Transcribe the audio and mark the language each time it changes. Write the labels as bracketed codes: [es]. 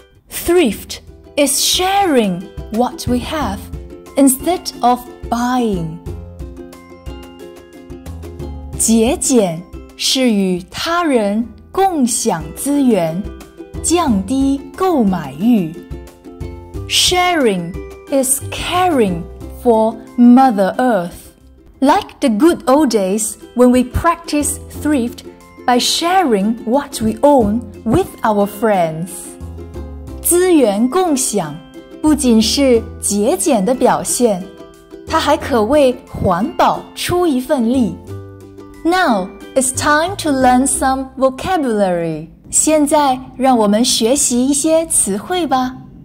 [en] Thrift is sharing what we have instead of buying. [zh] 节俭是与他人共享资源，降低购买欲。 [en] Sharing is caring. For Mother Earth. Like the good old days when we practice thrift by sharing what we own with our friends. [zh] 资源共享不仅是节俭的表现，它还可为环保出一份力。 [en] Now, it's time to learn some vocabulary. [zh] 现在让我们学习一些词汇吧。